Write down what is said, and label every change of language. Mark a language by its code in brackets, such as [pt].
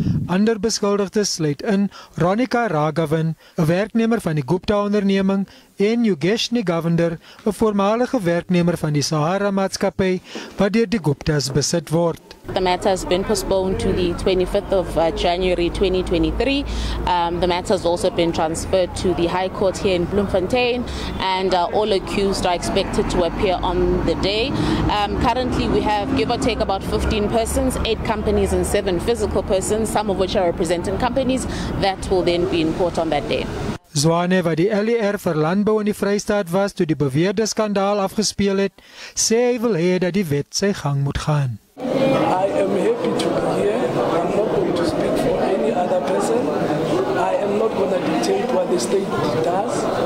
[af] Ander beskuldigdes sluit in Ronika Raghavan, 'n werknemer van die Gupta-onderneming, en Yogeshni Govender, 'n voormalige werknemer van die Sahara-maatskappy, wat deur die Guptas besit word. [en] The matter has been postponed to the 25th of January 2023. The matter has also been transferred to the High Court here in Bloemfontein, and all accused are expected to appear on the day. Currently, we have give or take about 15 persons, 8 companies and 7 physical persons, some of which are representing companies, that will then be in court on that day. [af] Zwane, wat die LER vir landbou in die Vrystaat was toe die beweerde skandaal afgespeel het, sê hy wil hê dat die wet sy gang moet gaan. [en] I am happy to be here. I'm not going to speak for any other person. I am not going to dictate what the state does.